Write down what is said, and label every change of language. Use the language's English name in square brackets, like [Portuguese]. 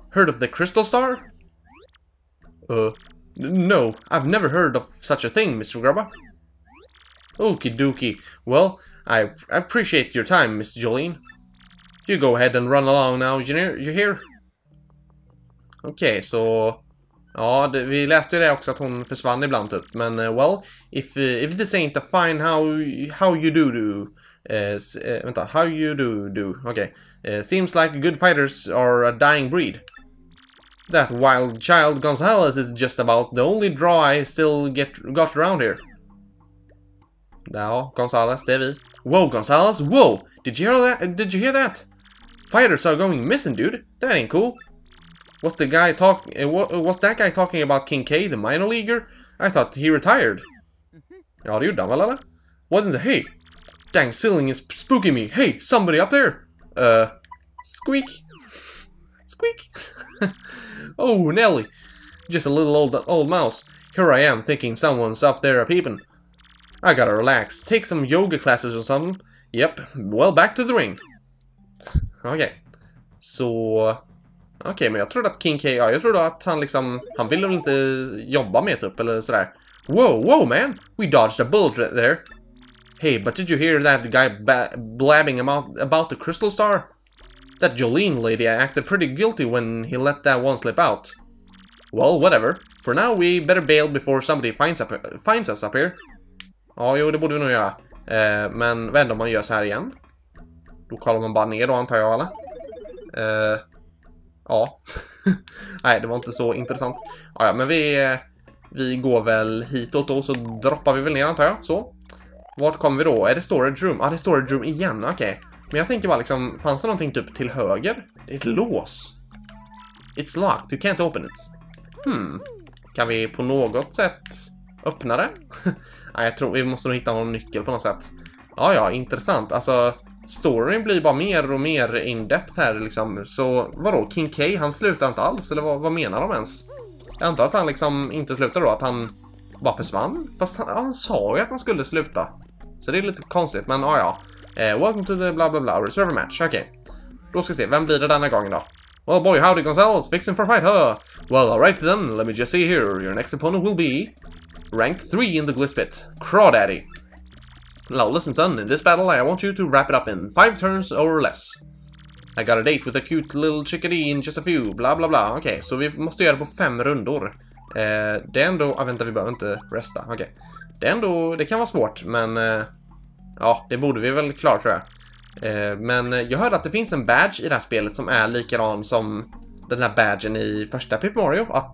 [English] Heard of the Crystal Star? No. I've never heard of such a thing, Mr. Grubba. Okie dokie. Well, I appreciate your time, Miss Jolene. You go ahead and run along now, you hear? [Swedish] Okej, så... Ja, vi läste ju det också att hon försvann ibland typ. [English] Men, well, if this ain't a fine how you do do... vänta, how you do do... Okej. Seems like good fighters are a dying breed. That wild child Gonzales is just about the only draw I still got around here. [Swedish] Ja, Gonzales, det är vi. [English] Whoa, Gonzales, whoa! Did you hear that? Fighters are going missing, dude. That ain't cool. What's that guy talking about, King K, the minor leaguer? I thought he retired. [Swedish] Ja, det gjorde han väl, eller? [English] What in the hey? Dang, ceiling is spooking me. Hey, somebody up there? Squeak. Squeak. Oh, Nelly. Just a little old mouse. Here I am, thinking someone's up there a-peeping. I gotta relax. Take some yoga classes or something. Yep. Well, back to the ring. Okej. Så... [Swedish] Okej, men jag trodde att King K... Ja, jag trodde att han liksom... Han ville väl inte jobba med typ, eller sådär. [English] Whoa, man! We dodged a bullet right there. Hey, but did you hear that guy blabbing about the Crystal Star? That Jolene lady acted pretty guilty when he let that one slip out. Well, whatever. For now, we better bail before somebody finds us up here. [Swedish] Ja, jo, det borde vi nog göra. Men vad händer om man gör så här igen? Då kollar man bara ner då, antar jag, eller? Ja. Nej, det var inte så intressant. Ja, men vi går väl hitåt då, så droppar vi väl ner, antar jag. Så. Vart kommer vi då? Är det storage room? Ah, det är storage room igen, okej. Okay. Men jag tänker bara liksom, fanns det någonting typ till höger? Det är ett lås. [English] It's locked, you can't open it. [Swedish] Kan vi på något sätt öppna det? Nej, jag tror vi måste nog hitta någon nyckel på något sätt. Ja, ja, intressant. Alltså, storyn blir bara mer och mer in-depth här liksom. Så, vadå? King K, han slutar inte alls? Eller vad menar de ens? Jag antar att han liksom inte slutar då, att han bara försvann. Fast han sa ju att han skulle sluta. Så det är lite konstigt, men ja. [English] Welcome to the blah blah blah, reserve match, [Swedish] okej. Då ska vi se, vem blir det denna gången då? [English] Well boy, howdy Gonzales, fixing for fight, huh? Well, alright then, let me just see here, your next opponent will be... Ranked 3 in the Glisspit, Crawdaddy. Now listen son, in this battle I want you to wrap it up in 5 turns or less. I got a date with a cute little chickadee in just a few, blah blah blah. [Swedish] Okej, så vi måste göra det på 5 rundor. Det är ändå... Ah, vänta, vi behöver inte resta, okej. Det är ändå... Det kan vara svårt, men... ja, det borde vi väl klara, tror jag. Men jag hörde att det finns en badge i det här spelet som är likadan som den här badgen i första Paper Mario.